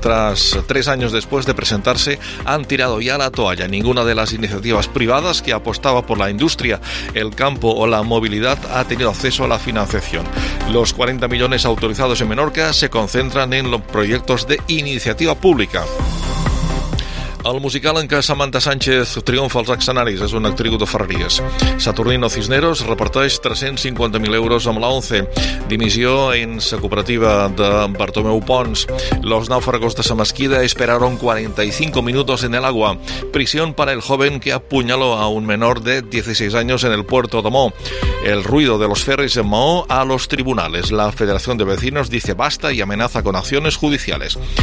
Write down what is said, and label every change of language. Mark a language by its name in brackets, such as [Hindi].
[Spanish] Tras 3 años después de presentarse, han tirado ya la toalla. Ninguna de las iniciativas privadas que apostaba por la industria, el campo o la movilidad ha tenido acceso a la financiación. Los 40 millones autorizados en Menorca se concentran en los proyectos de iniciativa pública. [Catalan] El musical en què Samantha Sánchez triomfa als escenaris és una actriu de Ferreries. Saturnino Cisneros reparteix 350.000 euros amb la 11. Dimissió en la cooperativa de Bartomeu Pons. [Spanish] Los náufragos de Samasquida esperaron 45 minutos en el agua. Prisión para el joven que apuñaló a un menor de 16 años en el puerto de Mahó. El ruido de los ferries en Mahó a los tribunales. La Federación de Vecinos dice basta y amenaza con acciones judiciales.